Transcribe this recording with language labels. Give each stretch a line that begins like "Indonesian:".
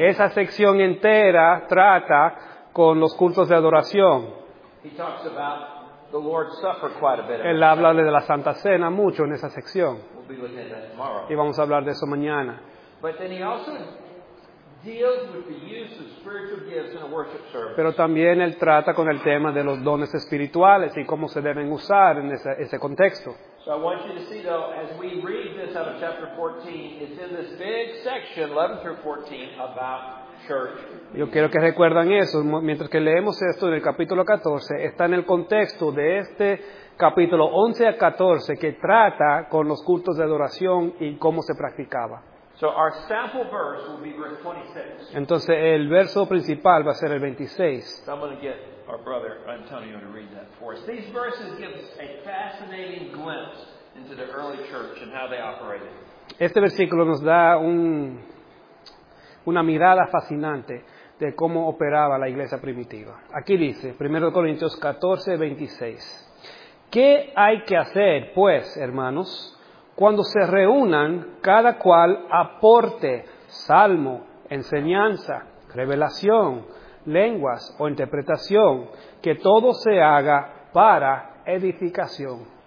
Spanish: Esa sección entera trata con los cultos de adoración.
English: He talks about the Lord's Supper quite a bit.
Spanish: Él habla de la Santa Cena mucho en esa sección.
English: We'll be looking at that tomorrow.
Spanish: Y vamos a hablar de eso mañana.
English: But then he also deals with the use of spiritual gifts in a worship service.
Spanish: Pero también él trata con el tema de los dones espirituales y cómo se deben usar en ese contexto.
English: So I want you to see, though, as we read this out of chapter 14, it's in this big section, 11 through 14, about church.
Spanish: Yo quiero que recuerden eso. Mientras que leemos esto en el capítulo 14, está en el contexto de este capítulo 11 a 14 que trata con los cultos de adoración y cómo se practicaba.
English: So our sample verse will be verse 26.
Spanish: Entonces el verso principal va a ser el 26.
English: So I'm going to get our brother Antonio to read that for us. These verses give us a fascinating glimpse into the early church and how they operated.
Spanish: Este versículo nos da una mirada fascinante de cómo operaba la iglesia primitiva. Aquí dice, 1 Corintios 14, 26. ¿Qué hay que hacer, pues, hermanos, cuando se reúnan, cada cual aporte salmo, enseñanza, revelación, lenguas o interpretación, que todo se haga para edificación?